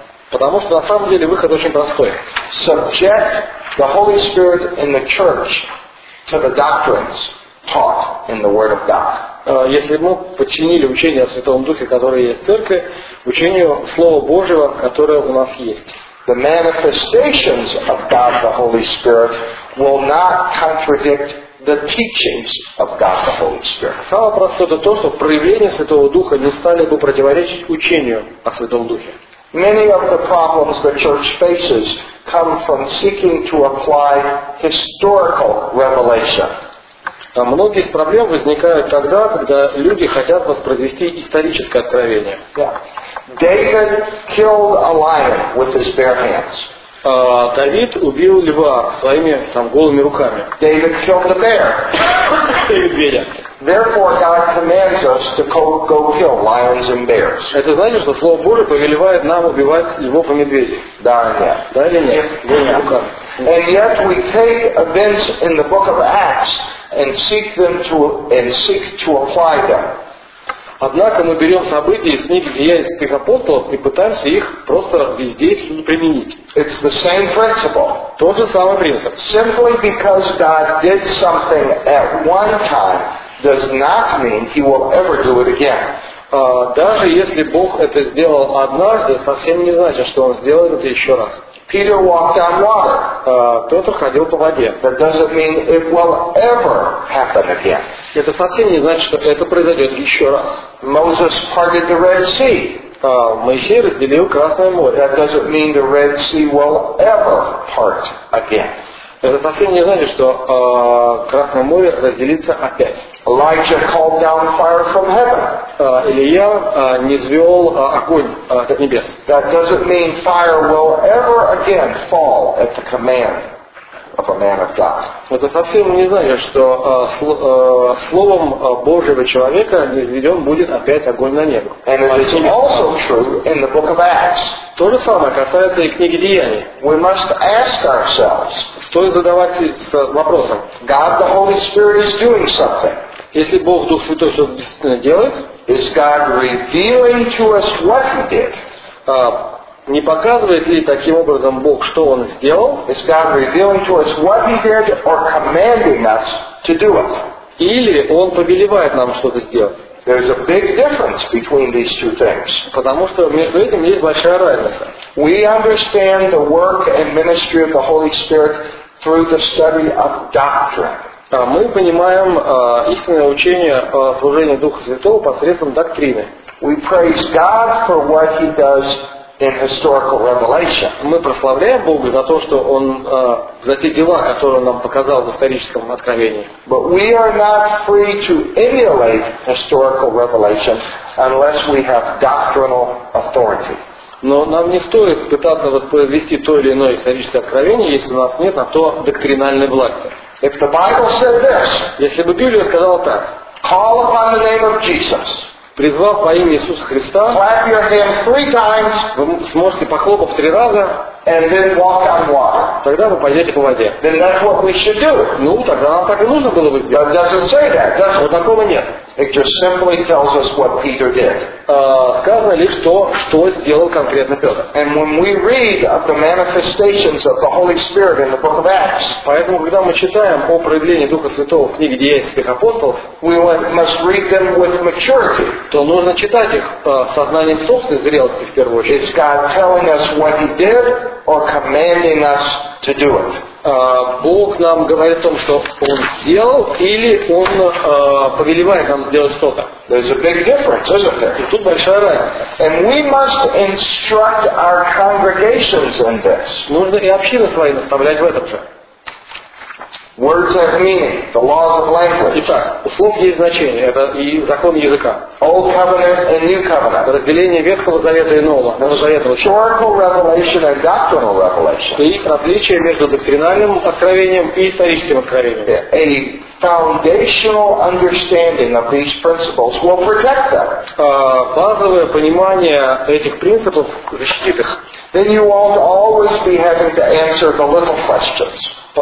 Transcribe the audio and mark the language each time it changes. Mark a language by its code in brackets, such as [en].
[ru] Потому что на самом деле выход очень простой. [en] Subject the Holy Spirit in the church to the doctrines taught in the Word of God. [ru] Если мы подчинили учение о Святом Духе, которое есть в церкви, учению Слова Божьего, которое у нас есть. [en] The manifestations of God the Holy Spirit will not contradict the teachings of God the Holy Spirit. [ru] Самое простое это то, что проявления Святого Духа не стали бы противоречить учению о Святом Духе. [en] Many of the problems the church faces come from seeking to apply historical revelation. [ru] Многие из проблем возникают тогда, когда люди хотят воспроизвести историческое откровение. [en] David killed a lion with his bare hands. [ru] Давид убил льва своими там голыми руками. [en] David killed the bear. [ru] Медведя. [en] Therefore, God commands us to go kill lions and bears. [ru] Это значит, что Слово Божие повелевает нам убивать львов и медведей. Да или нет? Да или нет? Голыми руками. [en] And yet we take events in the book of Acts and seek to apply them. [ru] Однако мы берем события из книг Деяний апостолов и пытаемся их просто везде применить. [en] It's the same principle. [ru] Тот же самый принцип. [en] Simply because God did something at one time does not mean He will ever do it again. [ru] Даже если Бог это сделал однажды, совсем не значит, что Он сделает это еще раз. [en] Peter walked on water. [ru] Петр ходил по воде. [en] That doesn't mean it will ever happen again. [ru] Это совсем не значит, что это произойдет еще раз. [en] Moses parted the Red Sea. [ru] Моисей разделил Красное море. [en] That doesn't mean the Red Sea will ever part again. [ru] Это совсем не значит, что Красное море разделится опять. [en] Elijah called down fire from heaven. [ru] Илия низвел огонь с небес. [en] That doesn't mean fire will ever again fall at the command of a man of God. [ru] Это совсем не значит, что словом Божьего человека низведен будет опять огонь на небо. [en] And it is also true in the book of Acts. [ru] То же самое касается и книги Деяний. [en] We must ask ourselves. [ru] Стоит задавать вопросом. [en] God the Holy Spirit is doing something. [ru] Если Бог Дух Святой что-то действительно делает, [en] is God revealing to us what He did? [ru] Не показывает ли таким образом Бог, что Он сделал? [en] Is God revealing to us what He did or commanding us to do it? [ru] Или Он повелевает нам что-то сделать? [en] There's a big difference between these two things. [ru] Потому что между этим есть большая разница. [en] We understand the work and ministry of the Holy Spirit through the study of doctrine. [ru] мы понимаем истинное учение о служении Духа Святого посредством доктрины. [en] We praise God for what He does in historical revelation. [ru] Мы прославляем Бога за то, что Он за те дела, которые Он нам показал в историческом откровении. [en] But we are not free to emulate historical revelation unless we have doctrinal authority. [ru] Но нам не стоит пытаться воспроизвести то или иное историческое откровение, если у нас нет на то доктринальной власти. [en] If the Bible said this, [ru] если бы Библия сказала так, [en] call upon the name of Jesus, [ru] призвав по имени Иисуса Христа, [en] clap your hands three times, [ru] вы сможете похлопав три раза, [en] and then walk on water. [ru] Тогда вы пойдете по воде. [en] Then that's what we should do. [ru] Ну, тогда нам так и нужно было бы сделать. [en] But it doesn't say that, does it? [ru] Вот такого нет. [en] It just simply tells us what Peter did. [ru] Сказано лишь то, что сделал конкретно Петр. [en] And when we read of the manifestations of the Holy Spirit in the book of Acts, [ru] поэтому когда мы читаем о проявлении Духа Святого в книге Деяний апостолов, [en] we must read them with maturity. [ru] То нужно читать их сознанием собственной зрелости в первую очередь. [en] It's God telling us what He did or commanding us to do it. [ru] Бог нам говорит о том, что Он сделал, или Он повелевает нам сделать что-то. [en] There's a big difference, isn't there? [ru] И тут большая разница. [en] And we must instruct our congregations in this. [ru] Нужно и общины свои наставлять в этом же. [en] Words have meaning, the laws of language. [ru] Итак, у слов есть значение, это и закон языка. [en] Old covenant and new covenant. [ru] Разделение Ветхого Завета и Нового, Нового Завета. [en] Historical revelation and doctrinal revelation. [ru] И различие между доктринальным откровением и историческим откровением. [en] A foundational understanding of these principles will protect them. [ru] Базовое понимание этих принципов защитит их. [en] Then you won't always be having to answer the little questions.